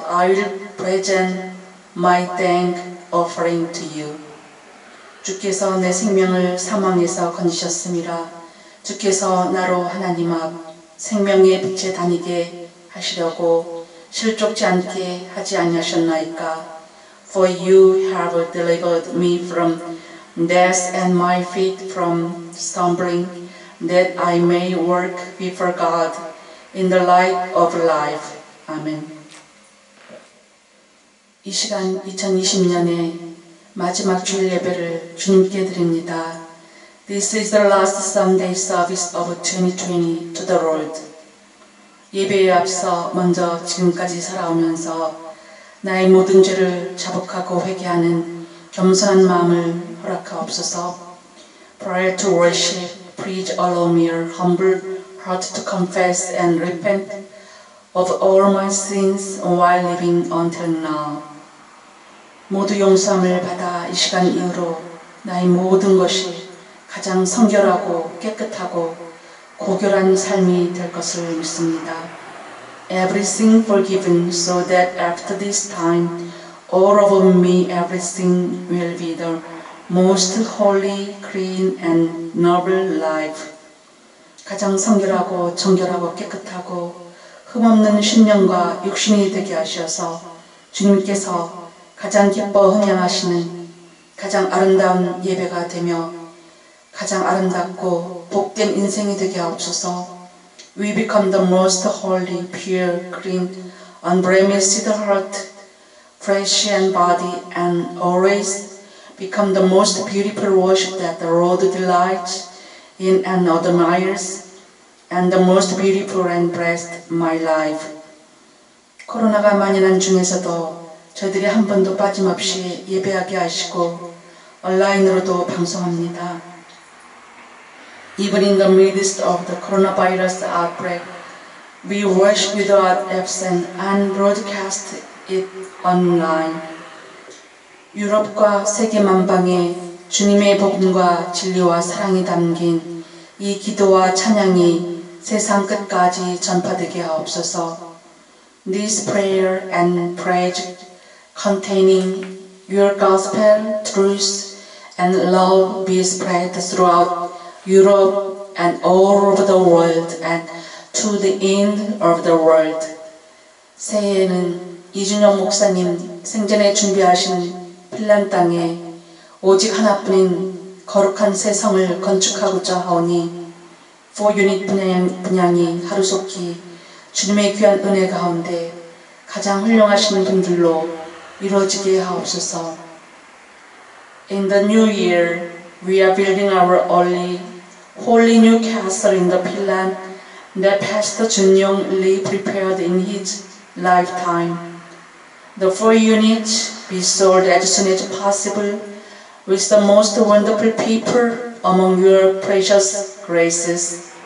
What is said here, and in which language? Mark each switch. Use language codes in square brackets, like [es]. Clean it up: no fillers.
[en] I will present my thank offering to you. [ko] 주께서 내 생명을 사망에서 건지셨음이라 주께서 나로 하나님 앞 생명의 빛에 다니게 하시려고 실족지 않게 하지 아니하셨나이까? [en] For you have delivered me from death and my feet from stumbling, that I may walk before God in the light of life. Amen. [ko] 이 시간 2020년의 마지막 주일 예배를 주님께 드립니다. [en] This is the last Sunday service of 2020 to the Lord. [ko] 예배에 앞서 먼저 지금까지 살아오면서 나의 모든 죄를 자복하고 회개하는 겸손한 마음을 허락하옵소서. [en] Prior to worship, please allow me a humble heart to confess and repent of all my sins while living until now. [ko] 모두 용서함을 받아 이 시간 이후로 나의 모든 것이 가장 성결하고 깨끗하고 고결한 삶이 될 것을 믿습니다. [en] Everything forgiven so that after this time all of me everything will be the most holy, clean and noble life. [ko] 가장 성결하고 정결하고 깨끗하고 흠없는 신령과 육신이 되게 하셔서 주님께서 가장 기뻐 흠양하시는 가장 아름다운 예배가 되며 가장 아름답고 복된 인생이 되게 하옵소서. [en] We become the most holy, pure, clean, unblemished heart, fresh and body, and always become the most beautiful worship that the Lord delights in and admires, and the most beautiful and blessed my life. [ko] 코로나가 만연한 중에서도 저희들이 한 번도 빠짐없이 예배하게 하시고 온라인으로도 방송합니다. [en] Even in the midst of the coronavirus outbreak, we worship without absent and broadcast it online. [ko] 유럽과 세계 만방에 주님의 복음과 진리와 사랑이 담긴 이 기도와 찬양이 세상 끝까지 전파되게 하옵소서. [en] This prayer and praise containing your gospel, truth, and love be spread throughout Europe and all over the world and to the end of the world. [ko] 새해에는 이준영 목사님 생전에 준비하신 핀란드 땅에 오직 하나뿐인 거룩한 새 성을 건축하고자 하오니 [en] For unit [ko] 분양이 하루속히 주님의 귀한 은혜 가운데 가장 훌륭하신 분들로 이루어지게 하옵소서. [en] In the new year, we are building our only holy new castle in the Finland that Pastor Jun Yong Lee prepared in his lifetime. The four units be sold as soon as possible with the most wonderful people among your precious graces.